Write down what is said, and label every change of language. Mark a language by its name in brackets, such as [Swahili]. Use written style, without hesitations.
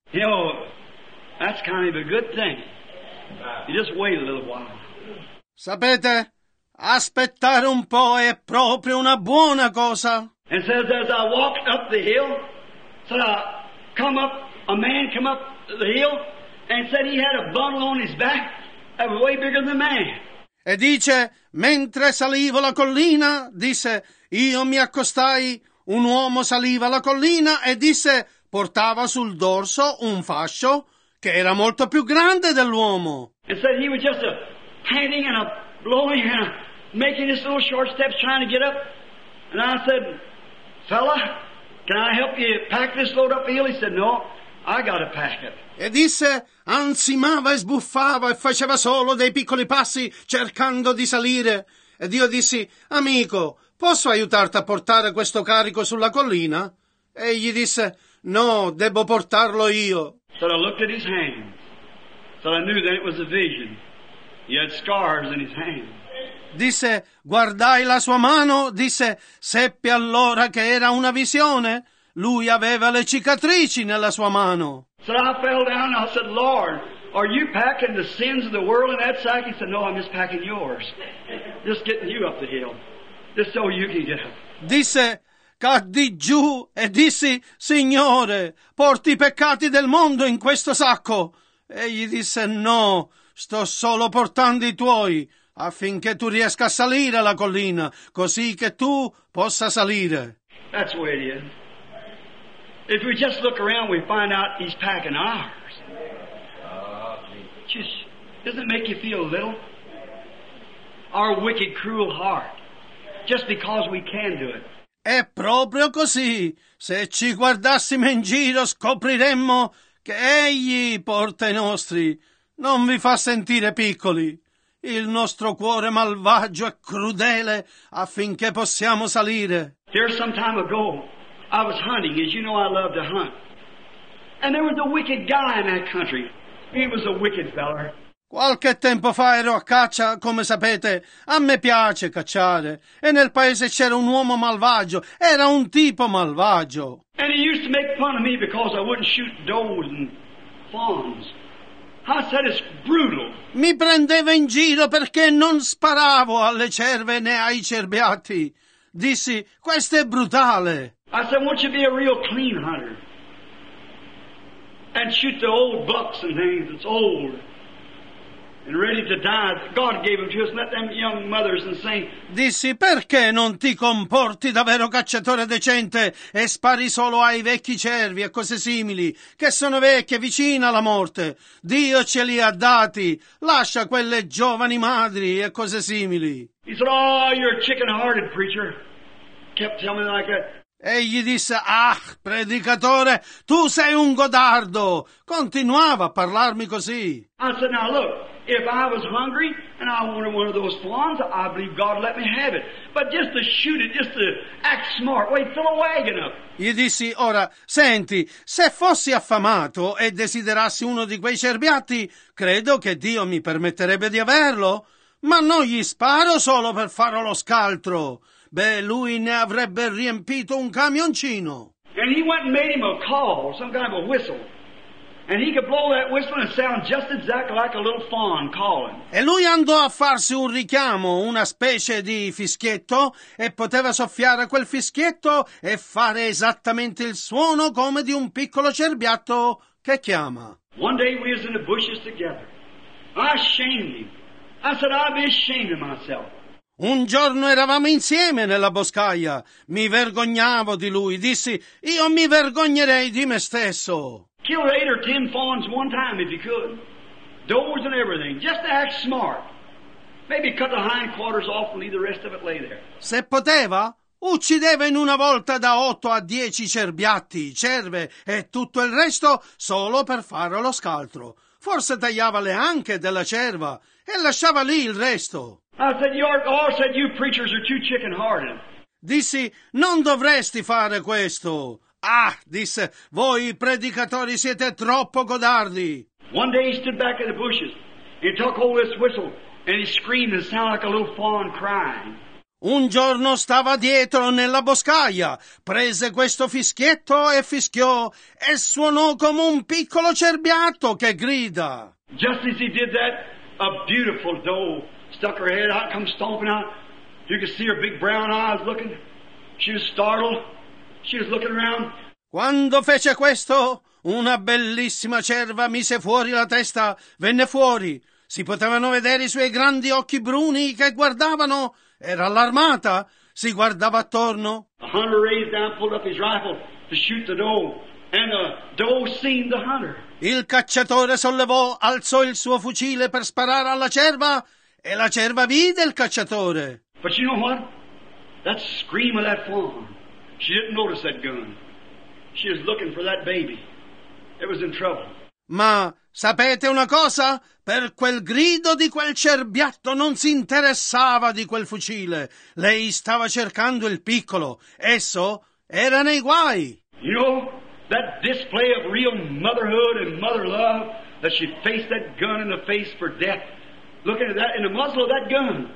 [English] You know, that's kind of a good thing. You just wait a little while. [Italian] Sapete, aspettare un po' è proprio una buona cosa. [English] And says, as I walked up the hill, said, I come up, a man come up the hill and said he had a bundle on his back that was way bigger than man. [Italian] E dice, mentre salivo la collina, disse, io mi accostai, un uomo saliva la collina e disse, portava sul dorso un fascio che era molto più grande dell'uomo. [English] And said he was just a panting and a blowing and a making his little short steps trying to get up. And I said, fella, can I help you pack this load up hill? He said, no, I gotta pack it. [Italian] E disse, ansimava e sbuffava e faceva solo dei piccoli passi cercando di salire. Ed io dissi, amico, posso aiutarti a portare questo carico sulla collina? E gli disse, no, devo portarlo io. [English] So I looked at his hands. So I knew that it was a vision. He had scars in his hands. [Italian] Disse, guardai la sua mano, disse, seppi allora che era una visione. Lui aveva le cicatrici nella sua mano. [English] So I fell down and I said, Lord, are you packing the sins of the world in that sack? He said, no, I'm just packing yours. Just getting you up the hill. Just so you can get up. [Italian] Disse, caddi giù e dissi, Signore, porti i peccati del mondo in questo sacco. E gli disse, no, sto solo portando i tuoi. Affinché tu riesca a salire la collina, così che tu possa salire. [English] That's the way it is. If we just look around, we find out he's packing ours. Just, doesn't it make you feel a little? Our wicked, cruel heart. Just because we can do it. [Italian] È proprio così. Se ci guardassimo in giro, scopriremmo che egli porta i nostri. Non vi fa sentire piccoli. Il nostro cuore malvagio e crudele affinché possiamo salire. [English] Here some time ago, I was hunting, as you know I love to hunt. And there was a wicked guy in that country. He was a wicked feller. [Italian] Qualche tempo fa ero a caccia, come sapete, a me piace cacciare. E nel paese c'era un uomo malvagio, era un tipo malvagio. [English] And he used to make fun of me because I wouldn't shoot does and fawns. I said, it's brutal. [Italian] Mi prendeva in giro perché non sparavo alle cerve né ai cerbiatti. Dissi, questo è brutale. [English] I said, won't you be a real clean hunter? And shoot the old bucks and things that's old and ready to die. God gave them to us, let them young mothers and saints. [Italian] Dissi, perché non ti comporti da vero cacciatore decente e spari solo ai vecchi cervi e cose simili, che sono vecchie, vicine alla morte. Dio ce li ha dati, lascia quelle giovani madri e cose simili. [English] He said, oh, you're a chicken-hearted preacher. Kept telling me like that. [Italian] Egli disse, ah, predicatore, tu sei un godardo. Continuava a parlarmi così. [English] I said, now look, if I was hungry and I wanted one of those fawns, I believe God let me have it. But just to shoot it, just to act smart, wait, fill a wagon up. [Italian] Gli dissi, ora, senti, se fossi affamato e desiderassi uno di quei cerbiatti, credo che Dio mi permetterebbe di averlo. Ma non gli sparo solo per farlo lo scaltro. Beh, lui ne avrebbe riempito un camioncino. [English] And he went and made him a call, some kind of a whistle. And he could blow that whistle and sound just exactly like a little fawn calling. [Italian] E lui andò a farsi un richiamo, una specie di fischietto, e poteva soffiare quel fischietto e fare esattamente il suono come di un piccolo cerbiatto che chiama. [English] One day we was in the bushes together. I shamed him. I said, I'd be ashamed of myself. [Italian] Un giorno eravamo insieme nella boscaia. Mi vergognavo di lui. Dissi, io mi vergognerei di me stesso. [English] Kill 8 or 10 fawns one time if you could. Doors and everything. Just to act smart. Maybe cut the hind quarters off and leave the rest of it lay there. [Italian] Se poteva, uccideva in una volta da 8 a 10 cerbiatti, cerve e tutto il resto solo per fare lo scaltro. Forse tagliava le anche della cerva e lasciava lì il resto. [English] I said, you preachers are too chicken-hearted. [Italian] Dissi, non dovresti fare questo. Ah, disse, voi predicatori siete troppo godardi. [English] One day he stood back in the bushes and took all this whistle and he screamed and sounded like a little fawn crying. [Italian] Un giorno stava dietro nella boscaia, prese questo fischietto e fischiò, e suonò come un piccolo cerbiatto che grida. [English] Just as he did that, a beautiful doe stuck her head out, come stomping out. You could see her big brown eyes looking. She was startled. She was looking around. [Italian] Quando fece questo, una bellissima cerva mise fuori la testa, venne fuori. Si potevano vedere i suoi grandi occhi bruni che guardavano. Era allarmata, si guardava attorno. [English] The hunter raised down, pulled up his rifle to shoot the doe, and the doe seen the hunter. [Italian] Il cacciatore sollevò, alzò il suo fucile per sparare alla cerva, e la cerva vide il cacciatore. [English] But you know what? That scream of that fawn. She didn't notice that gun. She was looking for that baby. It was in trouble. [Italian] Ma sapete una cosa? Per quel grido di quel cerbiatto non si interessava di quel fucile. Lei stava cercando il piccolo. Esso era nei guai. [English] You know, that display of real motherhood and mother love, that she faced that gun in the face for death. Look at that, in the muzzle of that gun.